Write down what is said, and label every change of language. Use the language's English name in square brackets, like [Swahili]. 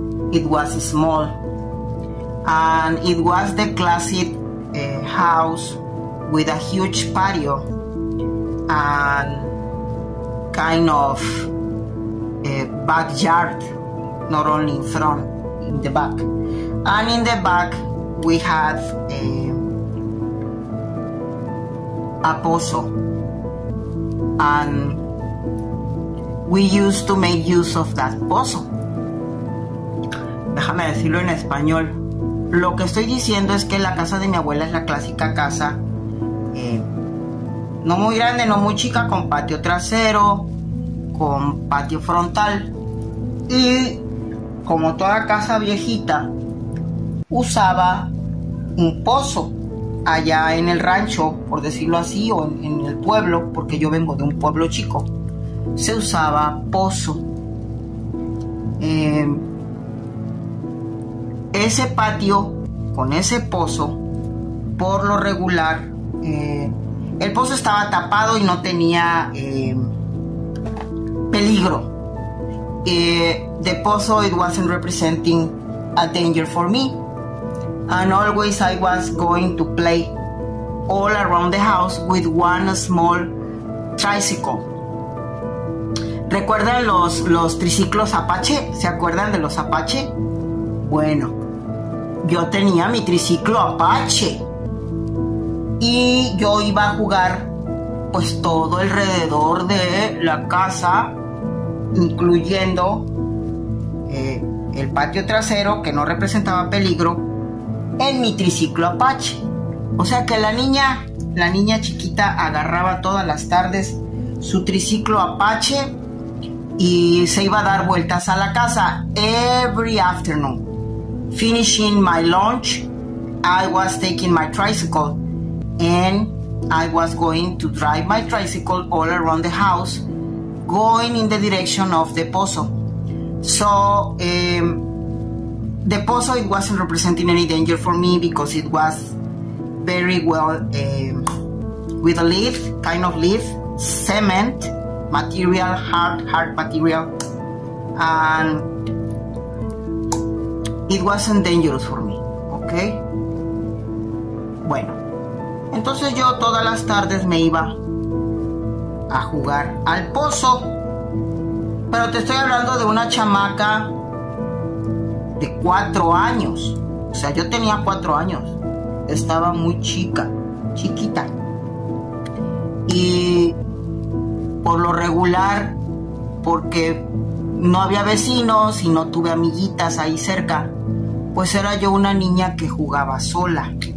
[English] It was small, and it was the classic house with a huge patio and kind of a backyard, not only in front, in the back. And in the back, we had a pozo, and we used to make use of that pozo. [Spanish] Déjame decirlo en español. Lo que estoy diciendo es que la casa de mi abuela es la clásica casa, no muy grande, no muy chica, con patio trasero, con patio frontal. Y como toda casa viejita, usaba un pozo allá en el rancho, por decirlo así, o en el pueblo, porque yo vengo de un pueblo chico. Se usaba pozo. Ese patio con ese pozo, por lo regular, el pozo estaba tapado y no tenía peligro. [English] The pozo, it wasn't representing a danger for me. And always I was going to play all around the house with one small tricycle. [Spanish] ¿Recuerdan los triciclos Apache? ¿Se acuerdan de los Apache? Bueno, yo tenía mi triciclo Apache y yo iba a jugar pues todo alrededor de la casa, incluyendo el patio trasero, que no representaba peligro, en mi triciclo Apache. O sea que la niña chiquita agarraba todas las tardes su triciclo Apache y se iba a dar vueltas a la casa. [English] Every afternoon, finishing my lunch, I was taking my tricycle and I was going to drive my tricycle all around the house, going in the direction of the pozo. So, the pozo, it wasn't representing any danger for me because it was very well with a leaf, kind of leaf, cement material, hard material, and it wasn't dangerous for me, okay? [Spanish] Bueno, entonces yo todas las tardes me iba a jugar al pozo, pero te estoy hablando de una chamaca de 4 años, o sea, yo tenía 4 años, estaba muy chiquita, y por lo regular, porque no había vecinos y no tuve amiguitas ahí cerca, pues era yo una niña que jugaba sola.